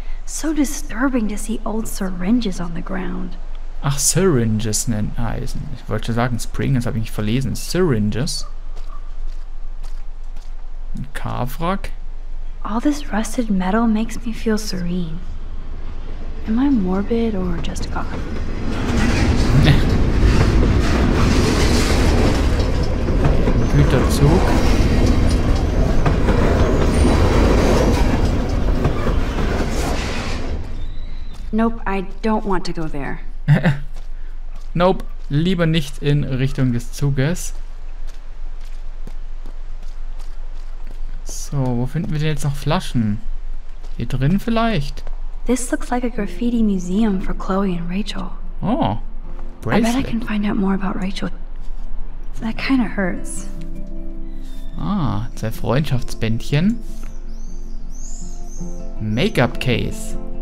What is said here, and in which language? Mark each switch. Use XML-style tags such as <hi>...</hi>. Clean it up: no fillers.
<en>So disturbing to see old syringes on the ground.</en> <de>Ach, syringes nennen heißen. Ich wollte schon sagen, Springers, habe ich nicht verlesen.</de> <en>Syringes.</en> <de>Ein Carwrack.</de> <en>All this rusted metal makes me feel serene. Am I morbid or just gone?</en> <de>Güterzug.</de> <en>Nope, I don't want to go there.</en> <de>Nope, lieber nicht in Richtung des Zuges. So, wo finden wir denn jetzt noch Flaschen? Hier drin vielleicht?</de> <en>This looks like a graffiti museum for Chloe and Rachel. Oh. I bet I can find out more about Rachel. That kind of hurts.</en> <de>Ah, zwei Freundschaftsbändchen.</de> <en>Make-up case.</en>